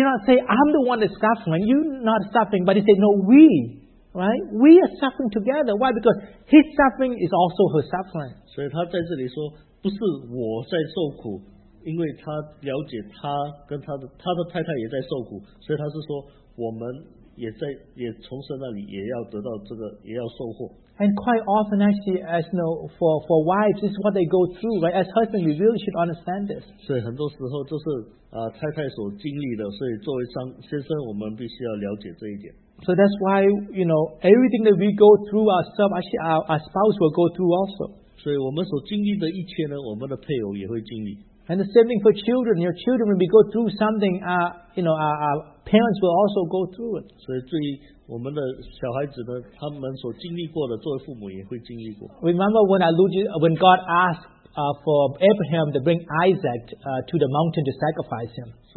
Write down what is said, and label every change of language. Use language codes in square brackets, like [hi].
[en] did not say, "I'm the one that's suffering, you're not suffering," but he said, "No, we, right? We are suffering together. Why? Because his suffering is also her suffering." [zh] 所以他在这里说，不是我在受苦，因为他了解他跟他的太太也在受苦，所以他是说我们也在也从神那里也要得到这个也要收获。 [en] And quite often, actually, as you know, for wives, this is what they go through, right? As husbands, we really should understand this. [zh] 所以很多时候就是, 太太所经历的, 所以作为先生, 我们必须要了解这一点。 [en] So that's why, you know, everything that we go through ourselves, actually our spouse will go through also. [zh] 所以我们所经历的一切呢, 我们的配偶也会经历。 [en] And the same thing for children. Your children, when we go through something, you know, our parents will also go through it. [zh] 所以对于我们的小孩子呢, 他们所经历过的, 作为父母也会经历过。 [en] Remember when God asked for Abraham to bring Isaac to the mountain to sacrifice him.